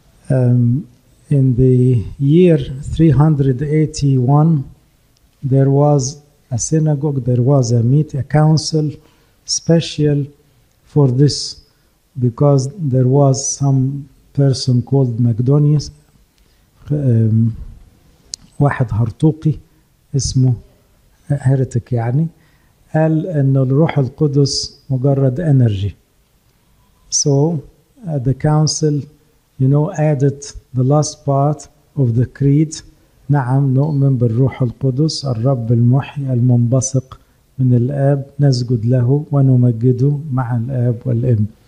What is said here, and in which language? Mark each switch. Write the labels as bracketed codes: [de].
[en] In the year 381, there was a synagogue, there was a meeting, a council, special for this, because there was some person called Macedonius, [ar] واحد هرطوقي اسمه هرتك يعني. قال ان الروح القدس مجرد energy. [en] So the council, added the last part of the creed. [ar] نعم نؤمن بالروح القدس الرب المحيي المنبثق من الاب نسجد له ونمجده مع الاب والابن.